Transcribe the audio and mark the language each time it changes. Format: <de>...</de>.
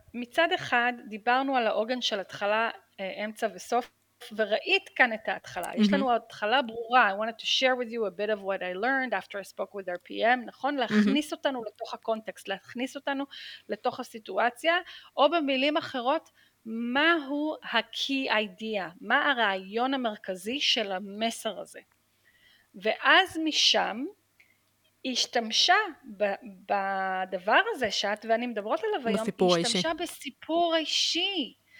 <he>מצד אחד, דיברנו על העוגן של התחלה, אמצע וסוף, וראית כאן את ההתחלה. יש לנו התחלה ברורה.</he> <en>I wanted to share with you a bit of what I learned after I spoke with our PM.</en> <he>נכון? להכניס אותנו לתוך הקונטקסט, להכניס אותנו לתוך הסיטואציה, או במילים אחרות, מהו ה-key idea? מה הרעיון המרכזי של המסר הזה? ואז משם השתמשה בדבר הזה שאת ואני מדברות עליו היום, השתמשה בסיפור האישי.</he>